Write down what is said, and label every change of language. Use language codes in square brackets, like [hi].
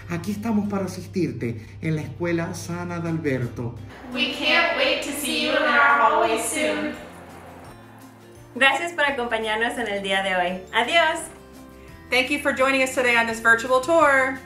[es] Aquí estamos para asistirte en la Escuela San Adalberto. [en] We can't wait to see you in our hallways soon. [es] Gracias por acompañarnos en el día de hoy. Adiós. [en] Thank you for joining us today on this virtual tour.